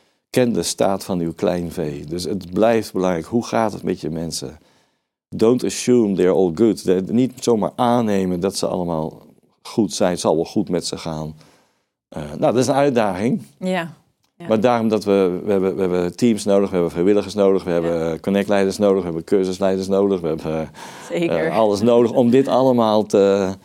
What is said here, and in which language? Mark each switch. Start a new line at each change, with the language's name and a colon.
Dutch: Ken de staat van uw kleinvee. Dus het blijft belangrijk. Hoe gaat het met je mensen?
English: Don't assume they're all good.
Dutch: Niet zomaar aannemen dat ze allemaal goed zijn. Het zal wel goed met ze gaan. Dat is een uitdaging. Ja. Maar daarom dat we hebben teams nodig, we hebben vrijwilligers nodig, we hebben connectleiders nodig, we hebben cursusleiders nodig, we hebben alles nodig om dit allemaal te...